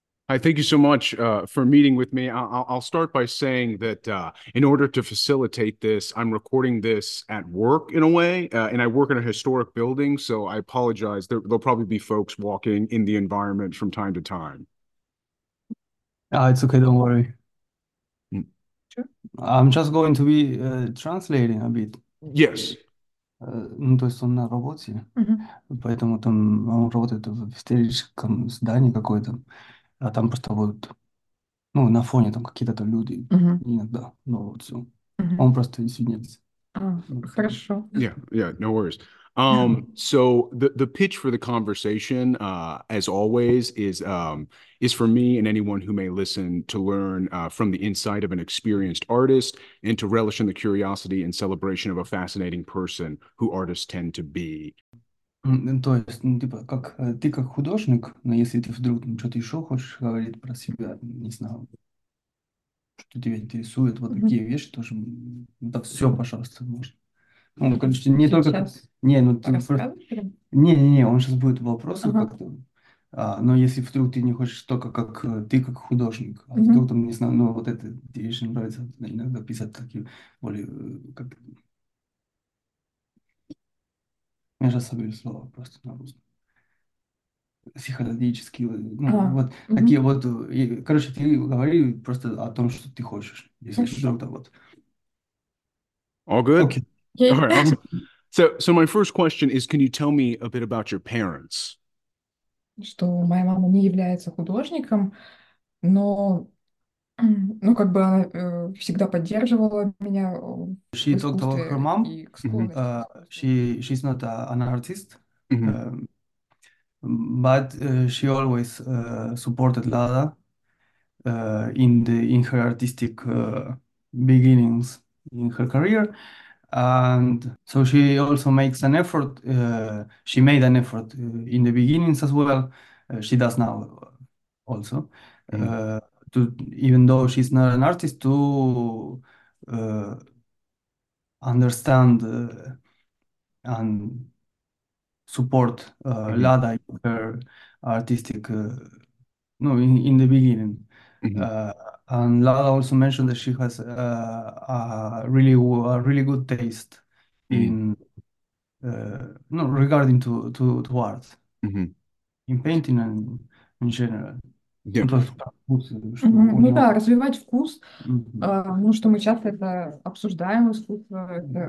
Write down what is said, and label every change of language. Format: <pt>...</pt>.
<en>Hi, thank you so much for meeting with me. I'll start by saying that in order to facilitate this, I'm recording this at work in a way, and I work in a historic building, so I apologize. There'll probably be folks walking in the environment from time to time. It's okay, don't worry. Sure. I'm just going to be translating a bit. Yes.</en> <ru>Ну, то есть он на работе, поэтому там он работает в историческом здании какое-то, а там просто вот, ну, на фоне там какие-то там люди иногда, ну, вот все. Он просто извиняется. Хорошо.</ru> <en>Yeah, no worries. So the pitch for the conversation, as always, is for me and anyone who may listen to learn from the insight of an experienced artist and to relish in the curiosity and celebration of a fascinating person who artists tend to be.</en> <ru>То есть, ну, типа, как ты как художник, но если ты вдруг что-то еще хочешь говорить про себя, не знаю, что тебя интересует, вот такие вещи тоже, да все, пожалуйста, можно. Ну, короче, не только... Он сейчас будет вопросы как-то. Но если вдруг ты не хочешь только как ты, как художник, а вдруг там, не знаю, ну, вот это тебе еще нравится иногда писать такие более... Как... Я сейчас соберу слова просто на русском. Психологические, ну, вот такие вот... Короче, ты говори просто о том, что ты хочешь. Если вдруг-то вот...</ru> <en>All good? Okay. All right. So my first question is, can you tell me a bit about your parents?</en> <ru>Что моя мама не является художником, но, ну, как бы она всегда поддерживала меня в</ru> <en>She</en> <ru>искусстве</ru> <en>talked about her mom.</en> <ru>И к склонности.</ru> <en>She's not an artist, but she always supported Lada in her artistic beginnings in her career. And so she also makes an effort. She made an effort in the beginnings as well. She does now also, to even though she's not an artist, to understand and support Lada in her artistic, in the beginning. And Lada also mentioned that she has a really good taste in regarding to art, in painting and in general.</en> <ru>Ну да, развивать вкус. Ну что мы часто это обсуждаем искусство.</ru>